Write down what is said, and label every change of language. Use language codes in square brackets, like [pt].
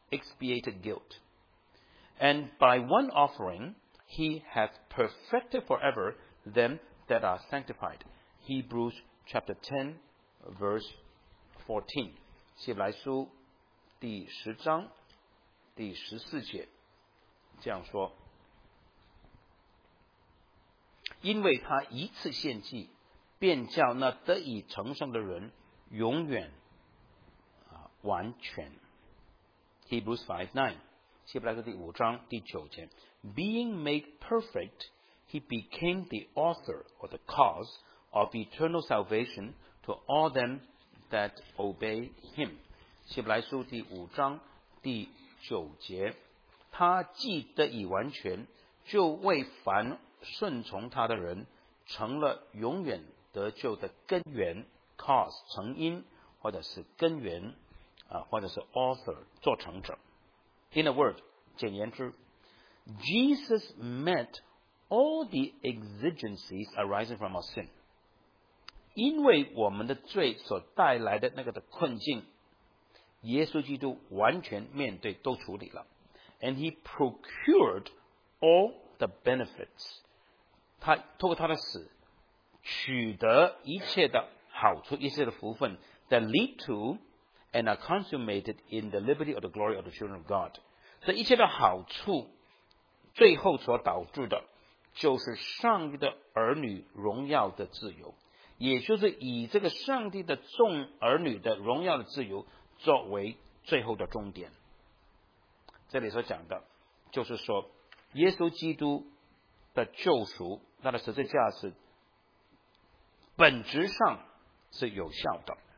[en] Expiated guilt， And by one offering He has perfected forever them that are sanctified， Hebrews chapter 10 verse 14， [zh] 希伯来书第十章第十四节这样说，因为他一次献祭便叫那得以成圣的人永远完全。 [en] Hebrews 5:9， [zh] 希伯来书第五章第九节， [en] Being made perfect he became the author or the cause of eternal salvation to all them that obey him。 [zh] 希伯来书第五章第九节，他既得以完全，就为凡顺从他的人成了永远得救的根源 cause 成因，或者是根源啊，或者是 author 做成者。 [en] In a word， [zh] 简言之， [en] Jesus met all the exigencies arising from our sin， [zh] 因为我们的罪所带来的那个的困境，耶稣基督完全面对都处理了。 [en] And he procured all the benefits， [zh] 他透过他的死取得一切的好处，一切的福分， [en] that lead to and are consummated in the liberty of the glory of the children of God。 [zh] 所以一切的好处最后所导致的就是上帝的儿女荣耀的自由，也就是以这个上帝的众儿女的荣耀的自由作为最后的终点。这里所讲的就是说，耶稣基督的救赎，他的十字架是本质上是有效的。